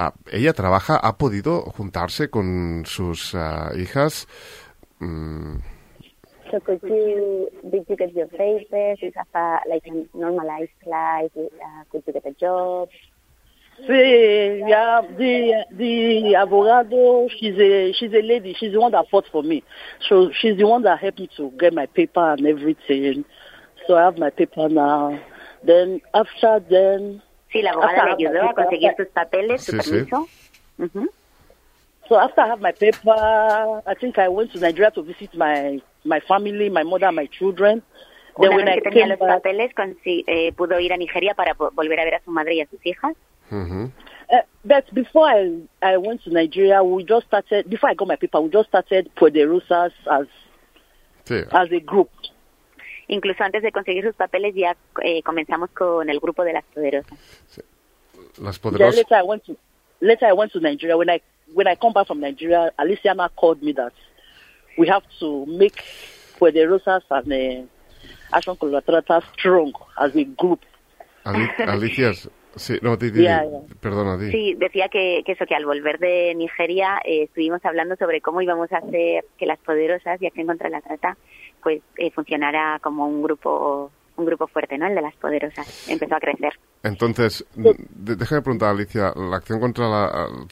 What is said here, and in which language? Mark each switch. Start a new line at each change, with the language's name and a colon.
Spanish: Ella trabaja, ha podido juntarse con sus hijas.
English: So did you get your papers? You have a normalized life? Could you get a job? Sí, yeah. The abogado, she's a lady. She's the one that fought for me. So she's the one that helped me to get my paper and everything. So I have my paper now. Then after then...
Spanish: Sí, la abogada le ayudó a conseguir sus papeles, su permiso.
English: So after I have my paper, I think I went to Nigeria to visit my family, my mother, my children. Then when I came back,
Spanish: pudo ir a Nigeria para volver a ver a su madre y a sus hijas.
English: But before I went to Nigeria, we just started, before I got my paper, we just started Poderosas as as a group.
Spanish: Incluso antes de conseguir sus papeles, ya comenzamos con el grupo de las Poderosas. Sí. Las Poderosas.
English: Yeah, later I went to Nigeria. When I come back from Nigeria, Aliciana called me that we have to make Poderosas and Action Collaterata strong as a group.
Spanish: Alicia, sí, no, perdona. Sí, decía que eso, que al volver de Nigeria estuvimos hablando sobre cómo íbamos a hacer que las Poderosas y Acción contra la Trata pues funcionara como un grupo fuerte, ¿no? El de las Poderosas empezó a crecer. Entonces, déjame preguntar, Alicia, la Acción contra la...